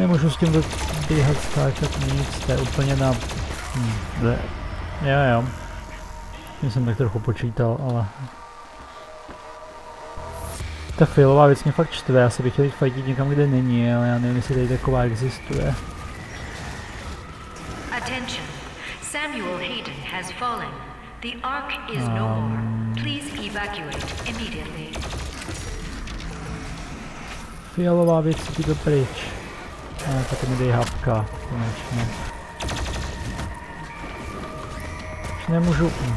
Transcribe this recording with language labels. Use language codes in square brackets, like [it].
[cs] S tím běhat, skáčet nic, to je úplně na... Jo. Já jsem tak trochu počítal, ale... Ta failová věc mě fakt čtve, já se bych chtěl fightit někam, kde není, ale já nevím, jestli tady taková existuje. [en] Attention. Samuel Hayden has fallen. The Ark is no more. Please evacuate immediately. [cs] Failová věc ti to pryč. Ne, tak mi dej hapka, konečně. Už nemůžu...